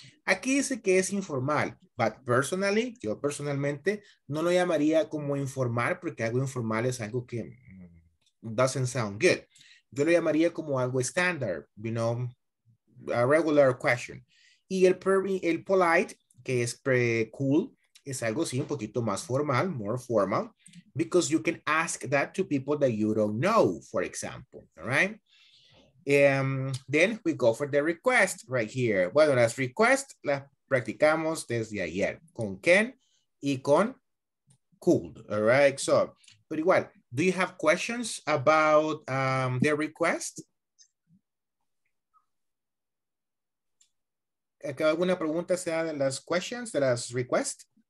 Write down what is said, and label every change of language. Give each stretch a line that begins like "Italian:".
Spanish: Aquí dice que es informal,
English: but personally,
Spanish: yo personalmente no lo llamaría como informal porque algo informal es algo que
English: doesn't sound good.
Spanish: Yo lo llamaría como algo standard,
English: you know, a regular question.
Spanish: Y el polite, que es cool, es algo así un poquito más formal,
English: more formal. Because you can ask that to people that you don't know, for example, all right? Then we go for the request right here.
Spanish: Bueno, las requests las practicamos desde ayer con can y con could,
English: all right? So, but igual, do you have questions about the request?
Spanish: ¿Alguna pregunta sea de las questions, de las requests?